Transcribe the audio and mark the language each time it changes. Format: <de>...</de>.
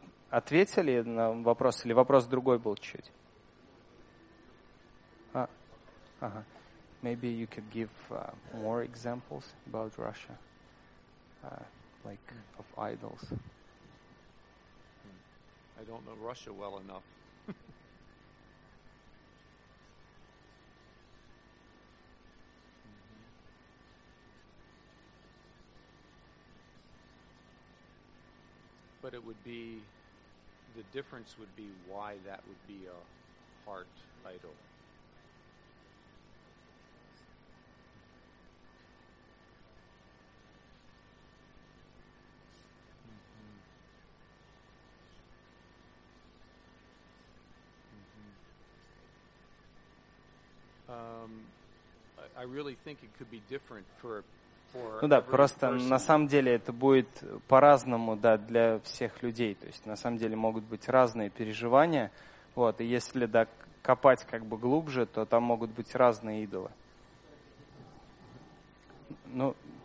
<ru>Ответили на вопрос или вопрос другой был чуть-чуть?</ru> <en>Maybe you could give more examples about Russia, like of idols. I don't know Russia well enough. But it would be, the difference would be why that would be a heart idol. I really think it could be different for</en> <ru>Ну да, просто на самом деле это будет по-разному, да, для всех людей. То есть на самом деле могут быть разные переживания. Вот, и если да, копать как бы глубже, то там могут быть разные идолы. Ну.</ru>